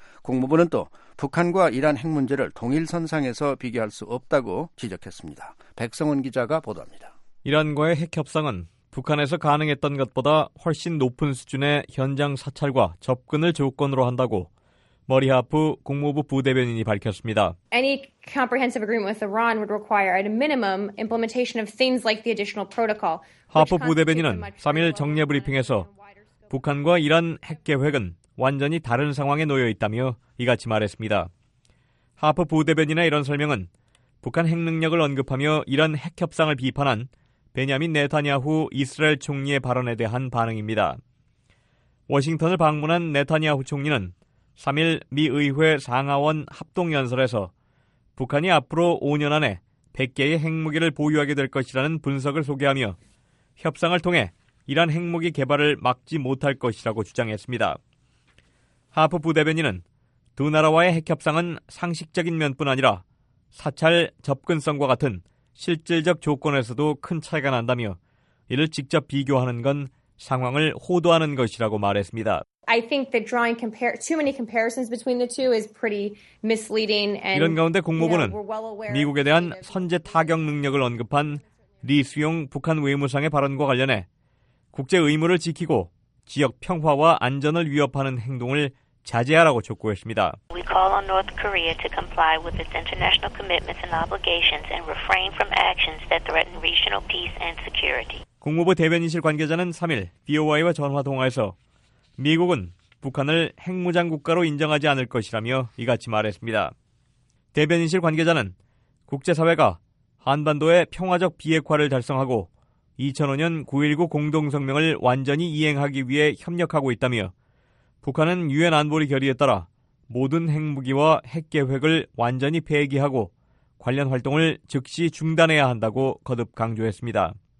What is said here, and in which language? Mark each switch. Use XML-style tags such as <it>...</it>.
<ko>국무부는 또 북한과 이란 핵 문제를 동일선상에서 비교할 수 없다고 지적했습니다. 백성훈 기자가 보도합니다. 이란과의 핵협상은 북한에서 가능했던 것보다 훨씬 높은 수준의 현장 사찰과 접근을 조건으로 한다고 머리하프 국무부 부대변인이 밝혔습니다.</ko> <en>Any comprehensive agreement with Iran would require at a minimum implementation of things like the additional protocol.</en> <ko>하프 부대변인은 3일 정례 브리핑에서 북한과 이란 핵계획은 완전히 다른 상황에 놓여 있다며 이같이 말했습니다. 하프 부대변인의 이런 설명은 북한 핵 능력을 언급하며 이란 핵 협상을 비판한 베냐민 네타냐후 이스라엘 총리의 발언에 대한 반응입니다. 워싱턴을 방문한 네타냐후 총리는 3일 미 의회 상하원 합동 연설에서 북한이 앞으로 5년 안에 100개의 핵무기를 보유하게 될 것이라는 분석을 소개하며 협상을 통해 이란 핵무기 개발을 막지 못할 것이라고 주장했습니다. 하프 부대변인은 두 나라와의 핵협상은 상식적인 면뿐 아니라 사찰 접근성과 같은 실질적 조건에서도 큰 차이가 난다며 이를 직접 비교하는 건 상황을 호도하는 것이라고 말했습니다.</ko> <en>I think that drawing too many comparisons between the two is pretty misleading.</en> <ko>이런 가운데 국무부는 미국에 대한 선제 타격 능력을 언급한 리 수용 북한 외무상의 발언과 관련해 국제 의무를 지키고 지역 평화와 안전을 위협하는 행동을 자제하라고 촉구했습니다.</ko> <en>We call on North Korea to comply with its international commitments and obligations and refrain from actions that threaten regional peace and security.</en> <ko>국무부 대변인실 관계자는 3일 BOI와 전화 통화에서 미국은 북한을 핵무장 국가로 인정하지 않을 것이라며 이같이 말했습니다. 대변인실 관계자는 국제사회가 한반도의 평화적 비핵화를 달성하고 2005년 9.19 공동성명을 완전히 이행하기 위해 협력하고 있다며 북한은 유엔 안보리 결의에 따라 모든 핵무기와 핵계획을 완전히 폐기하고 관련 활동을 즉시 중단해야 한다고 거듭 강조했습니다.</ko>